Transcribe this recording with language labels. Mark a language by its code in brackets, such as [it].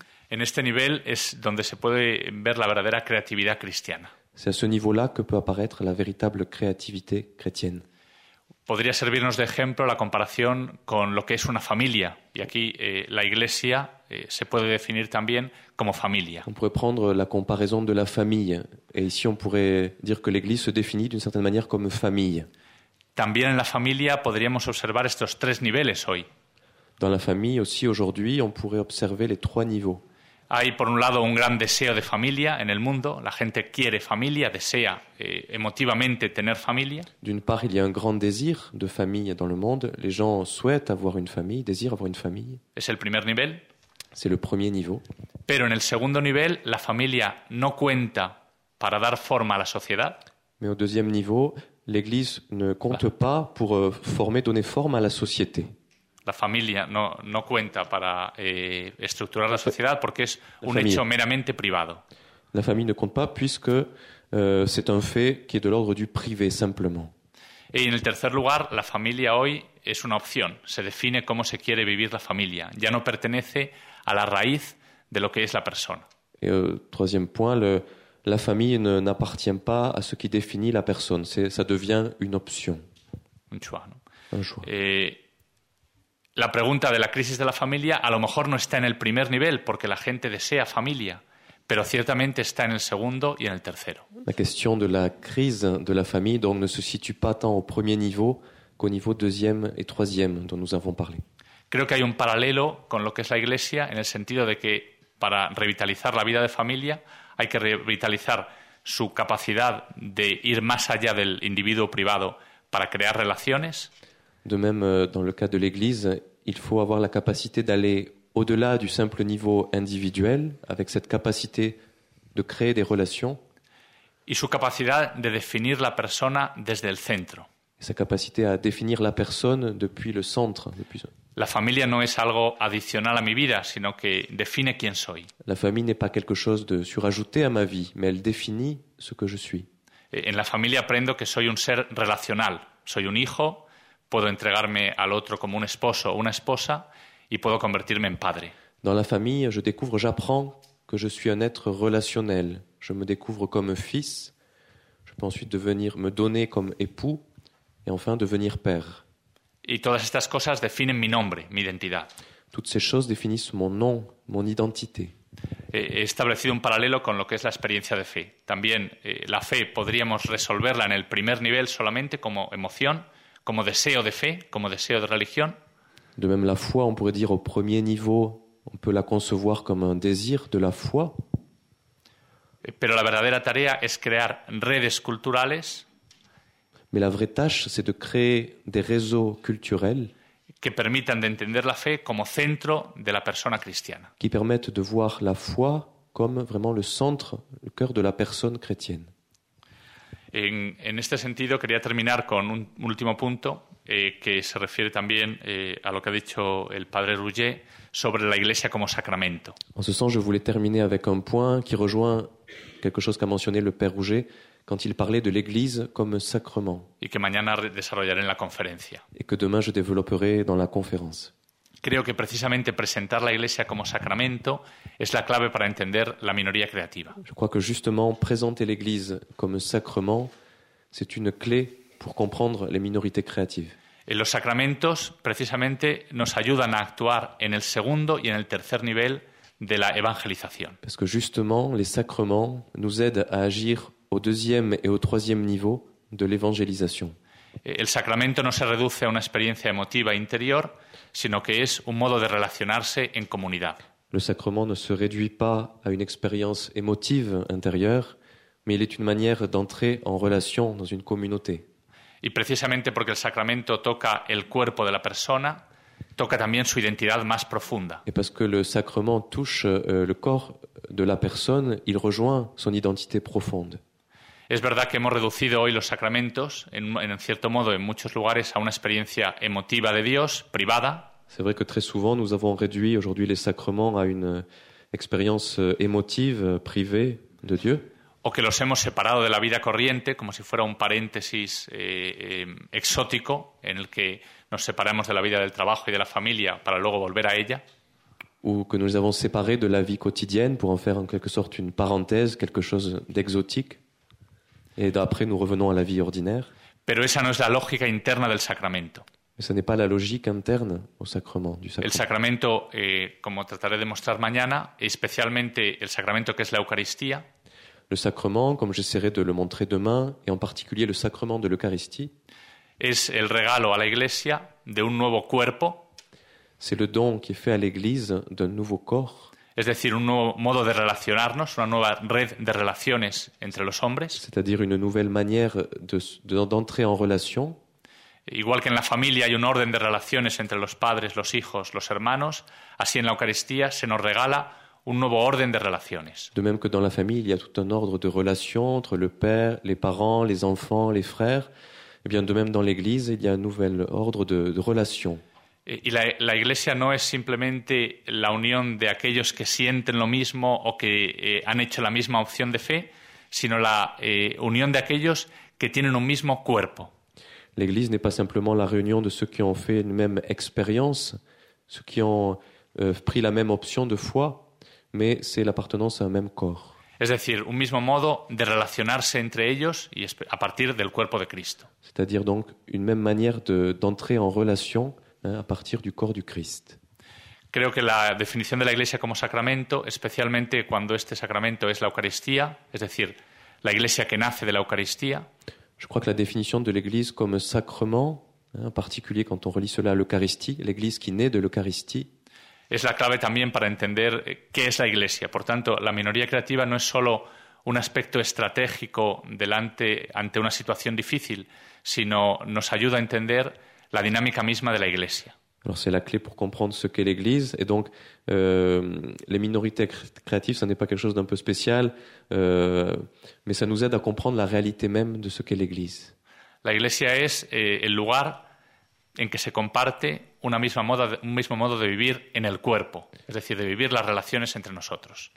[es] En este nivel es donde se puede ver la verdadera creatividad cristiana. [fr] C'est à ce niveau-là que peut apparaître la véritable créativité chrétienne. [es] Podría servirnos de ejemplo la comparación con lo que es una familia. Y aquí la iglesia se puede definir también como familia. [fr] On pourrait prendre la comparaison de la famille. Et ici on pourrait dire que l'église se définit d'une certaine manière comme famille. [es] También en la familia podríamos observar estos tres niveles hoy. [fr] Dans la famille aussi aujourd'hui, on pourrait observer les trois niveaux. [es] Hay, por un lado, un gran deseo de familia en el mundo. La gente quiere familia, desea emotivamente tener familia. [fr] D'une part, il y a un grand désir de famille dans le monde. Les gens souhaitent avoir une famille, désirent avoir une famille. [es] Es el primer nivel. [fr] C'est le premier niveau. [es] Pero en el segundo nivel, la familia no cuenta para dar forma a la sociedad. [fr] Mais au deuxième niveau, l'Église ne compte pas pour former, donner forme à la société. [es] La familia no cuenta para estructurar la sociedad porque es un hecho meramente privado. [fr] La famille ne compte pas puisque c'est un fait qui est de l'ordre du privé simplement. [es] Y en el tercer lugar, la familia hoy es una opción. Se define cómo se quiere vivir la familia. Ya no pertenece a la raíz de lo que es la persona. [fr] Et troisième point, la famille n'appartient pas à ce qui définit la personne. Ça devient une option. Un choix. ¿No? Un choix. [es] La pregunta de la crisis de la familia a lo mejor no está en el primer nivel porque la gente desea familia, pero ciertamente está en el segundo y en el tercero. La cuestión de la crisis de la familia [fr] donc ne se situe pas tant au premier niveau qu'au niveau deuxième et troisième dont nous avons parlé. [es] Creo que hay un paralelo con lo que es la iglesia en el sentido de que para revitalizar la vida de familia hay que revitalizar su capacidad de ir más allá del individuo privado para crear relaciones. [fr] De même, dans le cas de l'Église, il faut avoir la capacité d'aller au-delà du simple niveau individuel, avec cette capacité de créer des relations. [es] Y su capacidad de definir la persona desde el centro. [fr] Sa capacité à définir la personne depuis le centre. [es] La familia no es algo adicional a mi vida, sino que define quién soy. [fr] La famille n'est pas quelque chose de surajouté à ma vie, mais elle définit ce que je suis. [es] En la familia aprendo que soy un ser relacional. Soy un hijo. Puedo entregarme al otro como un esposo o una esposa y puedo convertirme en padre. [fr] Dans la famille, je découvre, j'apprends que je suis un être relationnel. Je me découvre comme fils. Je peux ensuite devenir, me donner comme époux et enfin devenir père. [es] Y todas estas cosas definen mi nombre, mi identidad. [fr] Toutes ces choses définissent mon nom, mon identité. [es] He establecido un paralelo con lo que es la experiencia de fe. También la fe podríamos resolverla en el primer nivel solamente como emoción. Como deseo de fe, como deseo de religión. [fr] De même la foi, on pourrait dire au premier niveau, on peut la concevoir comme un désir de la foi. [es] Pero la verdadera tarea es crear redes culturales. [fr] Mais la vraie tâche, c'est de créer des réseaux culturels [es] que permitan de entender la fe como centro de la persona cristiana. [fr] Qui permettent de voir la foi comme vraiment le centre, le cœur de la personne chrétienne. [es] En este sentido, quería terminar con un último punto que se refiere también a lo que ha dicho el padre Rouget sobre la Iglesia como sacramento. [fr] En ce sens, je voulais terminer avec un point qui rejoint quelque chose qu'a mentionné le père Rouget quand il parlait de l'Église comme sacrement. [es] Y que mañana desarrollaré en la conferencia. [fr] Et que demain je développerai dans la conférence. [es] Creo que precisamente presentar la Iglesia como sacramento es la clave para entender la minoría creativa. [fr] Je crois que justement présenter l'Église comme sacrement, c'est une clé pour comprendre les minorités créatives. [es] Y los sacramentos precisamente nos ayudan a actuar en el segundo y en el tercer nivel de la evangelización. [fr] Parce que justement les sacrements nous aident à agir au deuxième et au troisième niveau de l'évangélisation. [es] El sacramento no se reduce a una experiencia emotiva interior, sino que es un modo de relacionarse en comunidad. [fr] Le sacrement ne se réduit pas à une expérience émotive intérieure, mais il est une manière d'entrer en relation dans une communauté. [es] Y precisamente porque el sacramento toca el cuerpo de la persona, toca también su identidad más profunda. [fr] Et parce que le sacrement touche le corps de la personne, il rejoint son identité profonde. [es] Es verdad que hemos reducido hoy los sacramentos, en cierto modo, en muchos lugares, a una experiencia emotiva de Dios, privada. [fr] C'est vrai que très souvent nous avons réduit aujourd'hui les sacrements à une expérience émotive privée de Dieu. [es] O que los hemos separado de la vida corriente, como si fuera un paréntesis exótico, en el que nos separamos de la vida del trabajo y de la familia para luego volver a ella. [fr] Ou que nous les avons séparés de la vie quotidienne pour en faire en quelque sorte une parenthèse, quelque chose d'exotique. Et d'après, nous revenons à la vie ordinaire. [es] Pero esa no es la lógica interna del sacramento. [fr] Mais ce n'est pas la logique interne au sacrement du sacrement. [es] El sacramento, como trataré de mostrar mañana, especialmente el sacramento que es la Eucaristía. [fr] Le sacrement, comme j'essaierai de le montrer demain, et en particulier le sacrement de l'Eucharistie, [es] es el regalo a la Iglesia de un nuevo cuerpo. [fr] C'est le don qui est fait à l'Église d'un nouveau corps. [es] Es decir, un nuevo modo de relacionarnos, una nueva red de relaciones entre los hombres. [fr] C'est-à-dire une nouvelle manière d'entrer en relation. [es] Igual que en la familia hay un orden de relaciones entre los padres, los hijos, los hermanos, así en la Eucaristía se nos regala un nuevo orden de relaciones. [fr] De même que dans la famille, il y a tout un ordre de relations entre le père, les parents, les enfants, les frères. Et bien, de même dans l'Église, il y a un nouvel ordre de relations. [es] Y la Iglesia no es simplemente la unión de aquellos que sienten lo mismo o que han hecho la misma opción de fe, sino la unión de aquellos que tienen un mismo cuerpo. [fr] L'Église n'est pas simplement la réunion de ceux qui ont fait une même expérience, ceux qui ont pris la même option de foi, mais c'est l'appartenance à un même corps. [es] Es decir, un mismo modo de relacionarse entre ellos y a partir del cuerpo de Cristo. [fr] C'est-à-dire donc une même manière d'entrer en relation à partir du corps du Christ. [es] Creo que la definición de la Iglesia como sacramento, especialmente cuando este sacramento es la Eucaristía, es decir, la Iglesia que nace de la Eucaristía. [fr] Je crois que la définition de l'Église comme sacrement, en particulier quand on relie cela à l'Eucharistie, l'Église qui naît de l'Eucharistie. [es] Es la clave también para entender qué es la Iglesia. Por tanto, la minoría creativa no es solo un aspecto estratégico ante una situación difícil, sino nos ayuda a entender la dinámica misma de la Iglesia. [fr] Alors c'est la clé pour comprendre ce qu'est l'Église. Et donc, les minorités créatives, ça n'est pas quelque chose d'un peu spécial, mais ça nous aide à comprendre la réalité même de ce qu'est l'Église. [es] La Iglesia es el lugar en que se comparte un mismo modo de vivir en el cuerpo, es decir, de vivir las relaciones entre nosotros.